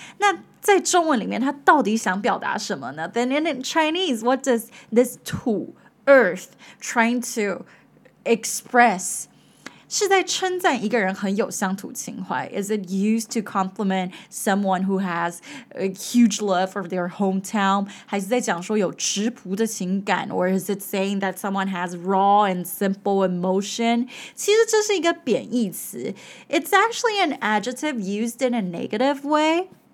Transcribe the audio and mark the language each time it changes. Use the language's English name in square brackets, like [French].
[Chinese] 那在中文里面,他到底想表达什么呢? [English] Then in Chinese, what does this 土, earth, trying to express? [Chinese] 是在称赞一个人很有乡土情怀? [English] Is it used to compliment someone who has a huge love for their hometown? [Chinese] 还是在讲说有质朴的情感? [English] Or is it saying that someone has raw and simple emotion? [Chinese] 其实这是一个贬义词. [English] It's actually an adjective used in a negative way.